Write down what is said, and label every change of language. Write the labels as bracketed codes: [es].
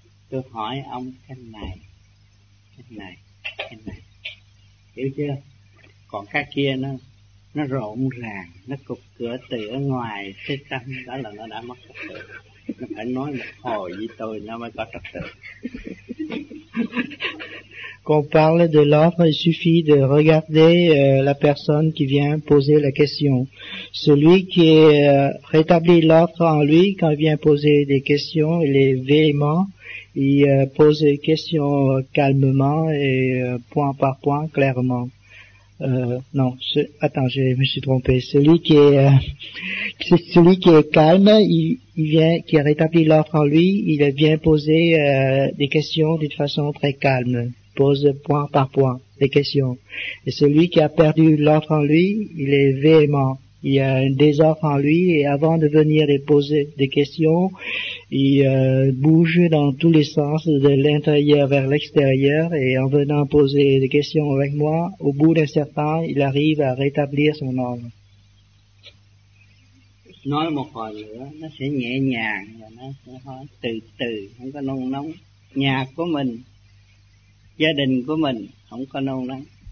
[vi] Tôi hỏi ông cái này, hiểu chưa? Còn cái kia nó rộn ràng, nó cục cửa từ ở ngoài tới trong, đó là nó đã mất trật tự. Nó phải nói một hồi với tôi nó mới có trật tự. [fr] Qu'on parle de l'ordre, il suffit de regarder la personne qui vient poser la question. Celui qui rétablit l'ordre en lui, quand il vient poser des questions, il est véhément, il pose les questions calmement et point par point, clairement. Je me suis trompé. Celui qui est calme, qui rétablit l'ordre en lui, il vient poser des questions d'une façon très calme. Pose point par point les questions. Et celui qui a perdu l'ordre en lui, il est véhément. Il y a un désordre en lui et avant de venir les poser des questions, il bouge dans tous les sens, de l'intérieur vers l'extérieur, et en venant poser des questions avec moi, au bout d'un certain temps, il arrive à rétablir son ordre. [vi] Nói một hồi nữa, nó sẽ nhẹ nhàng, và nó sẽ hỏi từ từ, không có nôn nóng. Nhà của mình, gia đình của mình không có nôn nóng.